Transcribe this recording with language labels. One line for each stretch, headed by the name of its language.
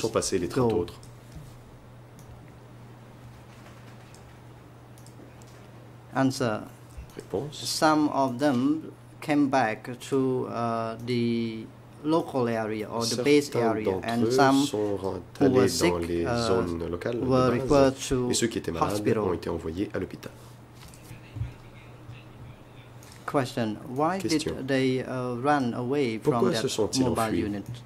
French: sont passés les 30 autres?
English: Answer.
French: Réponse.
English: Some of them came back to the local area or the base area, and some who were sick were referred to hospital.
French: Et ceux qui étaient malades ont été envoyés à l'hôpital.
English: Question. Why did they run away from that mobile unit?